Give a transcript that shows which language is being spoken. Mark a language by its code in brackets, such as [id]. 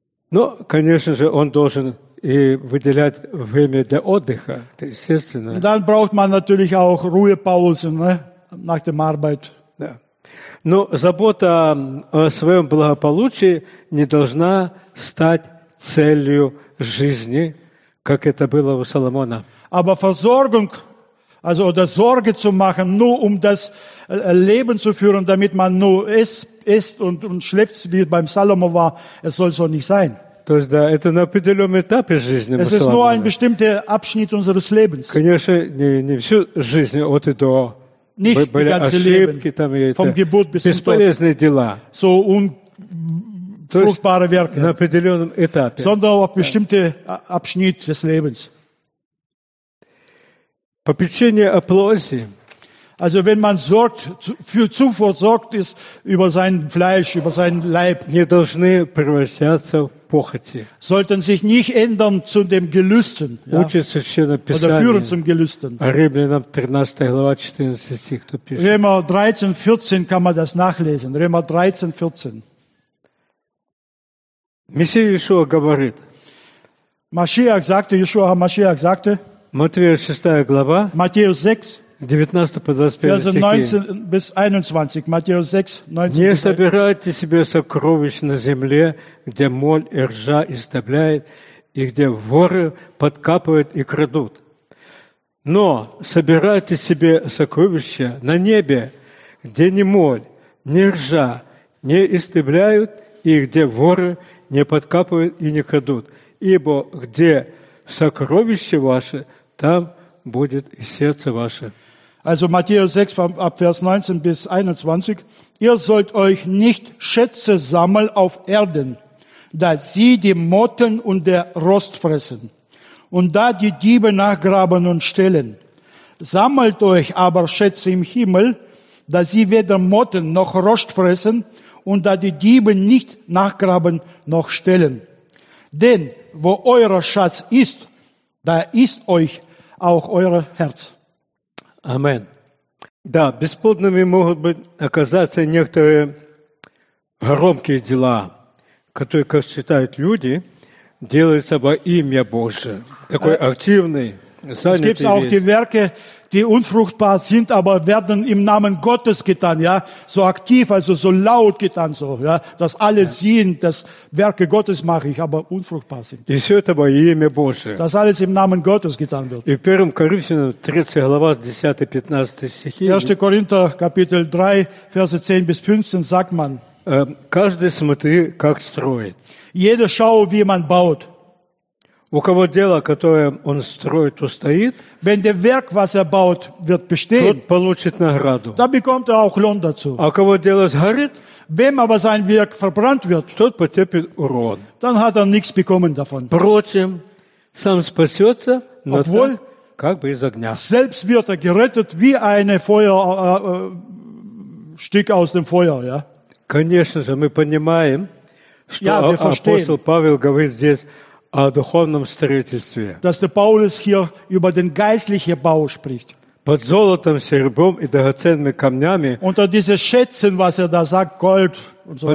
[ru] Ну, конечно же, он должен и выделять время для отдыха, естественно. [de] Und dann braucht man natürlich auch Ruhepausen, ne? Nach dem Arbeit. [ru] Да. Но забота о своем благополучии не должна стать целью жизни, как это было у Соломона. [de] Aber Versorgung, also oder Sorge zu machen, nur das Leben zu führen, damit man nur isst und schläft, wie beim Salomo war, es soll so nicht sein. [ru] То есть, да, это на определенном этапе жизни. [de] Es ist nur ein bestimmter Abschnitt unseres Lebens. [ru] Конечно, не всю жизнь, от и до. [de] Nicht die ganze [ru] ошибки, [de] Leben, [ru] там, [de] vom Geburt bis zum Tod. So unfruchtbare Werke. Sondern auf bestimmte Abschnitt des Lebens. [ru] Попечение о плоти. [de] Also wenn man sorgt, für Zufuhr sorgt ist über sein Fleisch, über seinen Leib, [ru] не должны превращаться в похоти. [de] Sollten sich nicht ändern zu dem Gelüsten. Ja? [ru] Учит Священное Писание. [de] Oder führen zum Gelüsten. [ru] Римлянам 13, глава 14 стих, кто пишет. [de] Römer 13, 14 kann man das nachlesen. Römer 13, 14. [ru] Мессия Иешуа говорит. [de] Машиах sagte, Иешуа Машиах sagte. [ru] Матфея 6, глава. [de] Matthäus 6. [ru] 19 по 21 стихи. [de] 19 bis 21. Matthäus 6, 19. [ru] Не собирайте себе сокровищ на земле, где моль и ржа истребляет, и где воры подкапывают и крадут. Но собирайте себе сокровища на небе, где ни моль, ни ржа не истребляют, и где воры не подкапывают и не крадут. Ибо где сокровище ваше, там будет и сердце ваше. [de] Also Matthäus 6, ab Vers 19 bis 21. Ihr sollt euch nicht Schätze sammeln auf Erden, da sie die Motten und der Rost fressen und da die Diebe nachgraben und stehlen. Sammelt euch aber Schätze im Himmel, da sie weder Motten noch Rost fressen und da die Diebe nicht nachgraben noch stehlen. Denn wo euer Schatz ist, Da ist euch auch euer Herz. Amen. [ru] Да, бесплодными могут быть оказаться некоторые громкие дела, которые, как считают люди, делаются во имя Божие. Такой активный, занятый. [de] Es gibt auch die Werke, die unfruchtbar sind, aber werden im Namen Gottes getan, ja, so aktiv, also so laut getan, so, ja, dass alle sehen, dass Werke Gottes mache ich, aber unfruchtbar sind. [ru] И все это во имя Божие. [de] Dass alles im Namen Gottes getan wird. [ru] И в 1 Коринфянам 3 глава 10-15 стихи. [de] 1 Коринфянам Kapitel 3 Verse 10 bis 15 sagt man. [ru] Каждый смотри, как строит. [de] Jeder schau, wie man baut. [ru] У кого дело, которое он строит, устоит, [de] wenn der Werk, was baut, wird bestehen, [ru] тот получит награду. [de] Da bekommt auch Lohn dazu. [ru] А у кого дело сгорит, [de] wem aber sein Werk verbrannt wird, [ru] тот потерпит урон. [de] Dann hat nichts bekommen davon. [ru] Впрочем, сам спасется, но [de] obwohl, [ru] так, как бы из огня. [de] Selbst wird gerettet wie ein Feuer, Stück aus dem Feuer. Ja? [ru] Конечно же, мы понимаем, что апостол Павел говорит здесь, о духовном строительстве. [de] Dass der Paulus hier über den geistlichen Bau spricht. [ru] Под золотом, серебром и драгоценными камнями. [de] Unter diese Schätzen, was da sagt, Gold und so weiter.